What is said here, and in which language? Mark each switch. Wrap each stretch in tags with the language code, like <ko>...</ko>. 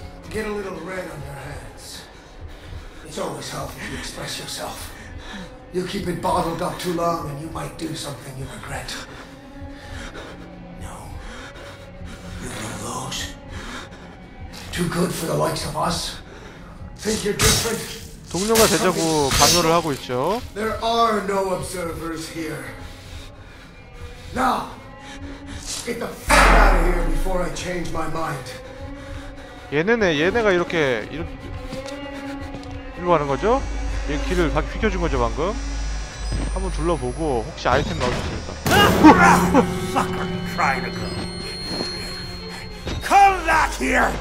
<en>Get a little red on your hands. It's always helpful to express yourself. You keep it bottled up too long and you might do something you regret. No. You do those. Too good for the likes of us. Think you're different?</en> <ko>동료가 되자고 강요를 하고 있죠.</ko> <en>There are no observers here. Now, get the fuck out of here before I change my mind.</en> <ko>얘네가 이렇게 가는 거죠? 얘 길을 다 비켜준 거죠 방금? 한번 둘러보고 혹시 아이템 나오셨습니까?</ko> <en>Come back here!</en>